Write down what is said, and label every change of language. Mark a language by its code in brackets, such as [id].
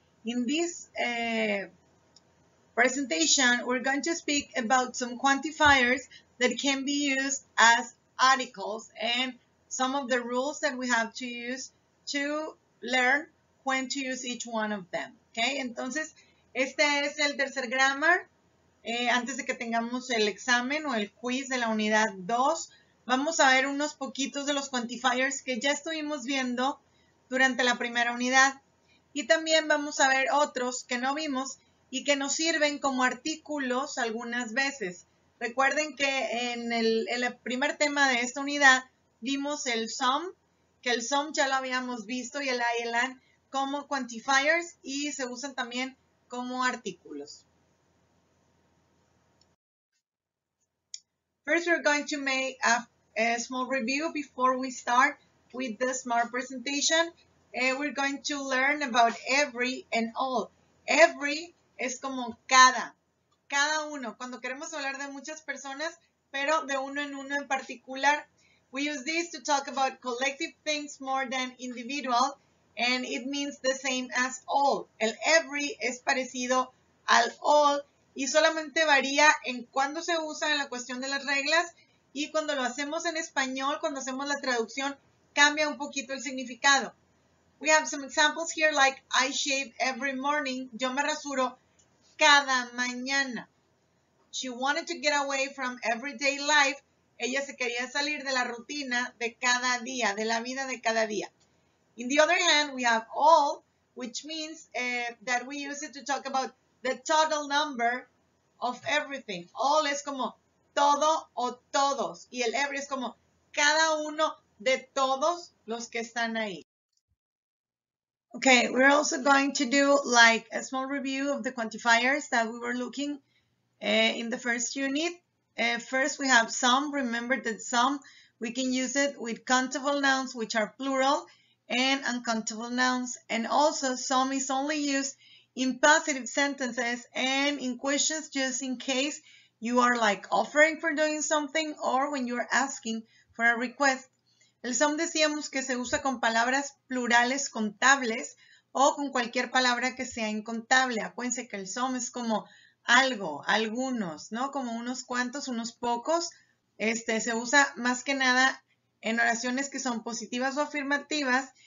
[en] In this presentation, we're going to speak about some quantifiers that can be used as articles and some of the rules that we have to use to learn when to use each one of them. [es] Okay, entonces, este es el tercer grammar. Antes de que tengamos el examen o el quiz de la unidad 2, vamos a ver unos poquitos de los quantifiers que ya estuvimos viendo durante la primera unidad. Y también vamos a ver otros que no vimos y que nos sirven como artículos algunas veces. Recuerden que en el primer tema de esta unidad vimos el SOME, que el SOME ya lo habíamos visto, y el ILN como quantifiers y se usan también como artículos. [en] First, we're going to make a small review before we start with the SMART presentation. We're going to learn about every and all. [es] Every es como cada, cada uno. Cuando queremos hablar de muchas personas, pero de uno en uno en particular, [en] we use this to talk about collective things more than individual, and it means the same as all. [es] El every es parecido al all. Y solamente varía en cuándo se usa en la cuestión de las reglas y cuando lo hacemos en español, cuando hacemos la traducción, cambia un poquito el significado. [en] We have some examples here like I shave every morning. [es] Yo me rasuro cada mañana. [en] She wanted to get away from everyday life. [es] Ella se quería salir de la rutina de cada día, de la vida de cada día. [en] In the other hand, we have all, which means that we use it to talk about the total number of everything. [es] All es como todo o todos. Y el every es como cada uno de todos los que están ahí. [en] Okay, we're also going to do like a small review of the quantifiers that we were looking in the first unit. First, we have some. Remember that some, we can use it with countable nouns, which are plural, and uncountable nouns. And also, some is only used in positive sentences and in questions, just in case you are like offering for doing something or when you are asking for a request. [es] El SOME decíamos que se usa con palabras plurales contables o con cualquier palabra que sea incontable. Acuérdense que el SOME es como algo, algunos, ¿no? Como unos cuantos, unos pocos. Se usa más que nada en oraciones que son positivas o afirmativas.